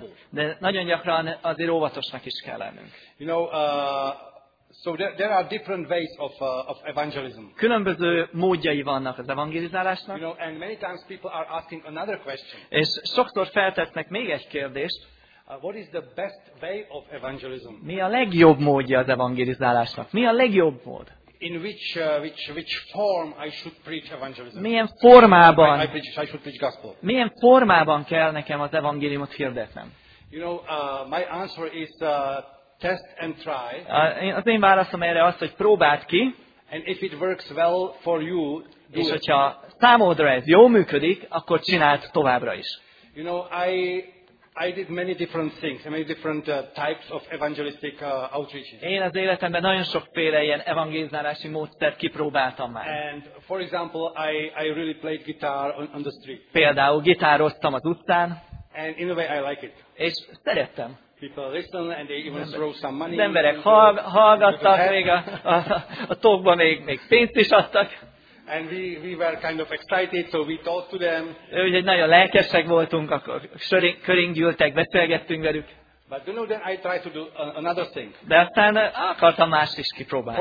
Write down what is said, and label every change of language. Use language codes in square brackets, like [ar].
[hu] De nagyon gyakran azért óvatosnak is kell lennünk. [en] You know, so there are different ways of evangelism. [hu] Különböző módjai vannak az evangelizálásnak. [en] You know, and many times people are asking another question. [hu] És sokszor feltetnek még egy kérdést. [en] What is the best way of evangelism? [hu] Mi a legjobb módja az evangelizálásnak? Mi a legjobb mód? [en] In which form I should preach evangelism? [hu] Milyen formában? [en] I should preach gospel. [hu] Milyen formában kell nekem az evangéliumot hirdetnem? [en] You know, my answer is test and try. [hu] Az én válaszom erre az, hogy próbáld ki. [en] And if it works well for you, do [hu] és hogyha számodra ez jó működik, akkor csináld továbbra is. [en] You know, I did many different things, many different types of evangelistic outreaches. [hu] Én az életemben nagyon sokféle ilyen evangelizálási módszert kipróbáltam már. [en] And for example, I really played guitar on the street. [hu] Például gitároztam az utcán. [en] And in a way, I like it. [hu] És szerettem. [en] People listen and they even throw some money. [hu] Az emberek hallgattak, még a tokba még pénzt is adtak. [en] And we were kind of excited, so we talked to them. [hu] Úgyhogy nagyon lelkesek voltunk, akkor köring gyűltek, beszélgettünk velük. [en] But you know, then I tried to do another thing. [hu] De aztán akartam mást is kipróbálni.